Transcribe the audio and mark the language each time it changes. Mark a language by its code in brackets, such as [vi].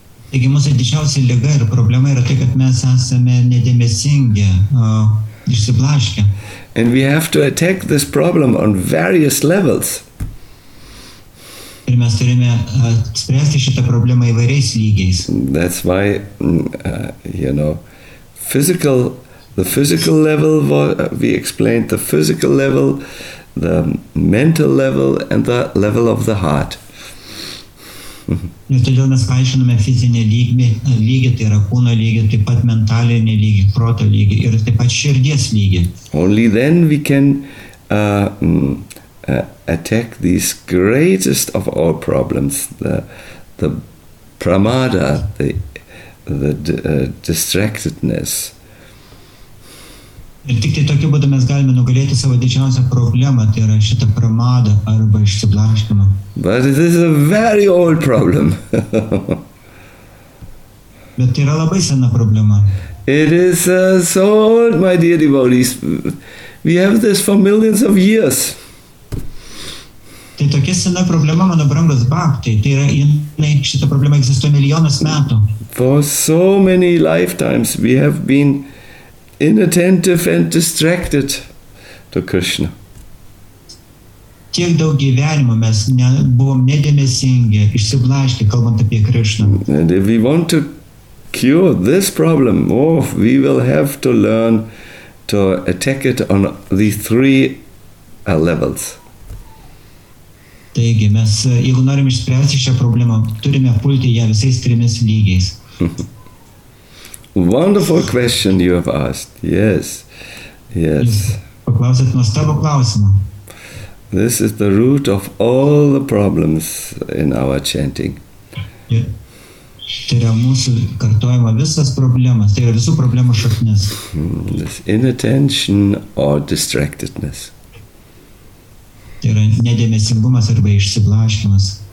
[lt] Taigi, mūsų didžiausia liga ir problema yra tai, kad mes esame nedėmesingi, išsiblaškę. [en] And we have to attack this problem on various levels. [lt] Ir mes turime spręsti šitą problemą įvairiais lygiais. [en] That's why, you know, the physical level, we explained the physical level, the mental level and the level of the heart. [lt] Nes todėl mes paaiškiname fizinį lygį, tai yra kūno lygį, taip pat mentalinį lygį, proto lygį ir taip pat širdies lygį. [en] Only then we can attack these greatest of all problems, the pramada, distractedness. [lt] Ir tik tai tokiu būdu mes galime nugalėti savo didžiausią problemą, tai yra šitą pramadą arba išsiblaškymą. [en] But this is a very old problem. [lt] Bet tai yra labai sena problema. [en] It is so old, my dear devotees. We have this for millions of years. [lt] Tai tokia sena problema, mano brangus bakti. Tai yra, šita problema egzistuoja milijonas metų. [en] For so many lifetimes we have been inattentive and distracted to Krishna. [lt] Tiek daug gyvenimo mes buvom nedėmesingi, išsiblaškę, kalbant apie Krishna. [en] And if we want to cure this problem, we will have to learn to attack it on the three levels. [lt] Taigi, mes, jeigu norim išspręsti šią problemą, turime pulti ją visais trimis lygiais. [en] Wonderful question you have asked. Yes. Yes. [lt] Paklausėt nuostabų klausimą. [en] This is the root of all the problems in our chanting. [lt] Tai yra mūsų kartojama visas problemas, tai yra visų problemų šaknis. [en] This inattention or distractedness. [lt] Tai yra nedėmesingumas arba išsiblaškymas.